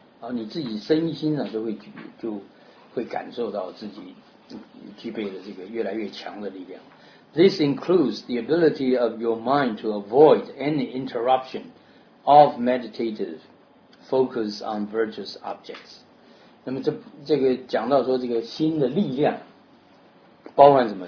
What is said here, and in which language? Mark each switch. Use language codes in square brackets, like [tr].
[zh] 然后你自己身心呢，就会感受到自己具备了这个越来越强的力量。 [en] This includes the ability of your mind to avoid any interruption of meditative focus on virtuous objects. [zh] 那么这个讲到说这个心的力量，包含什么？